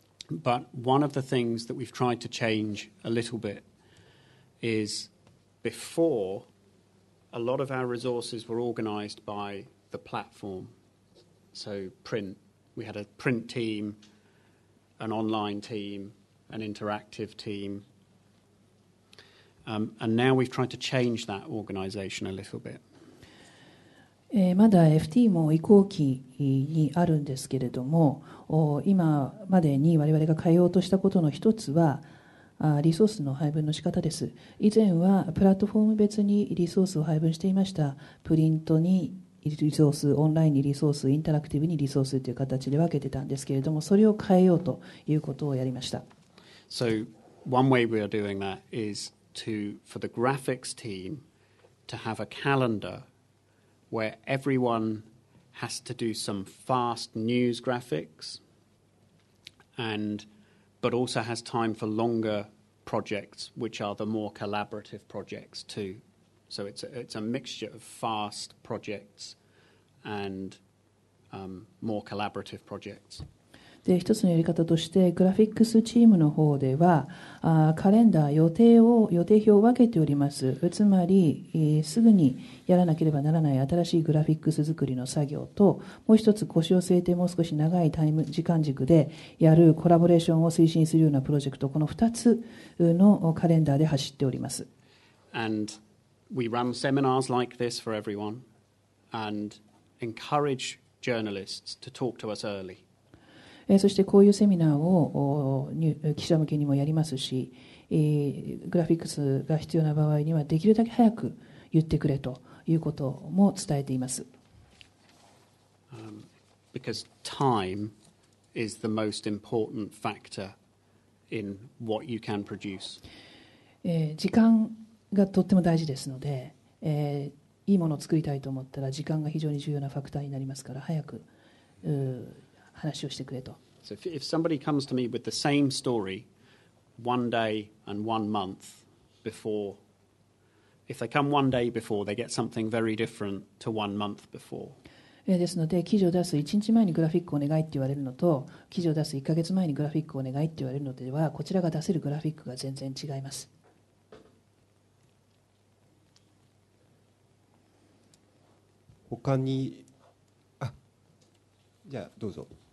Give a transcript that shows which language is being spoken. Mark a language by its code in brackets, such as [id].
[en] But one of the things that we've tried to change a little bit is before, a lot of our resources were organized by the platform. So print, we had a print team, an online team, an interactive team. And now we've tried to change that organization a little bit. [ja] まだ FT も移行期にあるんですけれども、今までに我々が変えようとしたことの一つはリソースの配分の仕方です。以前はプラットフォーム別にリソースを配分していました。プリントにリソース、オンラインにリソース、インタラクティブにリソースという形で分けてたんですけれども、それを変えようということをやりました。 [en] So one way we are doing that is to, for the graphics team to have a calendarWhere everyone has to do some fast news graphics, and but also has time for longer projects, which are the more collaborative projects too. So it's a mixture of fast projects and more collaborative projects. [ja] で、一つのやり方としてグラフィックスチームの方ではカレンダー予定表を分けております。つまりすぐにやらなければならない新しいグラフィックス作りの作業と、もう一つ腰を据えてもう少し長いタイム時間軸でやるコラボレーションを推進するようなプロジェクト、この2つのカレンダーで走っております。 [en] And we run seminars like this for everyone and encourage journalists to talk to us early [ja] そしてこういうセミナーを記者向けにもやりますし、グラフィックスが必要な場合にはできるだけ早く言ってくれということも伝えています。 [en] Because time is the most important factor in what you can produce. [ja] 時間がとっても大事ですので、いいものを作りたいと思ったら時間が非常に重要なファクターになりますから、早く話をしてくれと。 [en] So if somebody comes to me with the same story one day and one month before, if they come one day before, they get something very different to one month before. [ja] ですので、記事を出す1日前にグラフィックをお願いって言われるのと、記事を出す1ヶ月前にグラフィックをお願いって言われるのでは、こちらが出せるグラフィックが全然違います。他に、じゃあどうぞ。